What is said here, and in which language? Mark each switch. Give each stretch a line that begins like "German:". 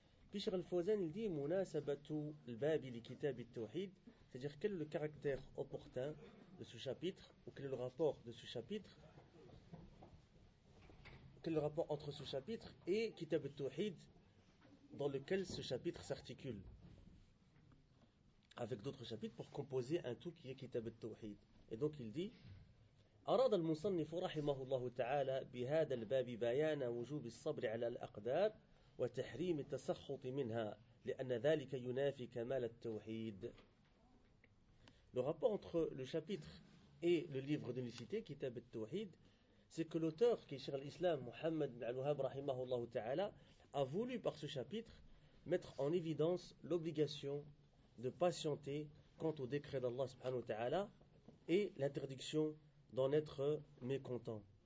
French: Puis Cheikh Al-Fawzan, il dit
Arabic: Munasabatu al-Babi li Kitab al-Tawhid,
French: c'est-à-dire quel est le caractère opportun de ce chapitre, ou quel est le rapport de ce chapitre. Quel est le rapport entre ce chapitre et Kitab al-Tawhid, dans lequel ce chapitre s'articule avec d'autres chapitres pour composer un tout qui est Kitab al-Tawhid. Et donc il dit:
Arabic: أراد المصنف رحمه الله تعالى بهذا الباب بيان وجوب الصبر على الأقدار وتحريم التسخط منها لأن ذلك ينافي كمال التوحيد.
French: Le rapport entre le chapitre et le livre de l'unicité, Kitab al-Tawhid, c'est que l'auteur, qui est Cheikh l'Islam, Muhammad ibn al-Wahhab, rahimahullah ta'ala, a voulu par ce chapitre mettre en évidence l'obligation de patienter quant au décret d'Allah subhanahu wa ta'ala et l'interdiction d'en être mécontent.